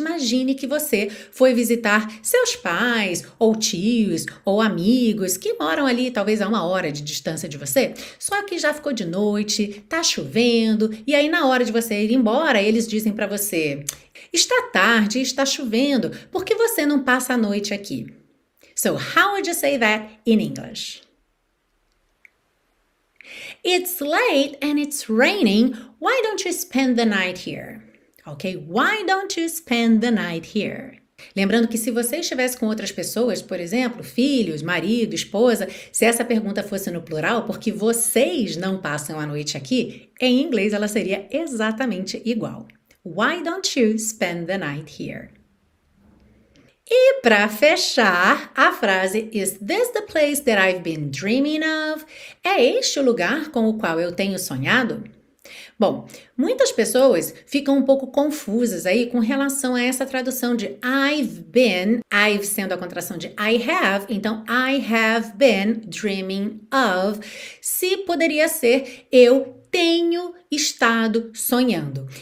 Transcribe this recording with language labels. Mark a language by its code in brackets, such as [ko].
[pt] Imagine que você foi visitar seus pais, ou tios, ou amigos que moram ali, talvez a uma hora de distância de você. Só que já ficou de noite, tá chovendo, e aí na hora de você ir embora, eles dizem para você: está tarde, está chovendo, por que você não passa a noite aqui? [en] So, how would you say that in English? It's late and it's raining. Why don't you spend the night here? Okay, why don't you spend the night here? [pt] Lembrando que se você estivesse com outras pessoas, por exemplo, filhos, marido, esposa, se essa pergunta fosse no plural, porque vocês não passam a noite aqui, em inglês ela seria exatamente igual. [en] Why don't you spend the night here? [pt] E para fechar, a frase [en] Is this the place that I've been dreaming of? [pt] É este o lugar com o qual eu tenho sonhado? Bom, muitas pessoas ficam um pouco confusas aí com relação a essa tradução de I've been, I've sendo a contração de I have, então [en] I have been dreaming of, [pt] se poderia ser eu tenho estado sonhando.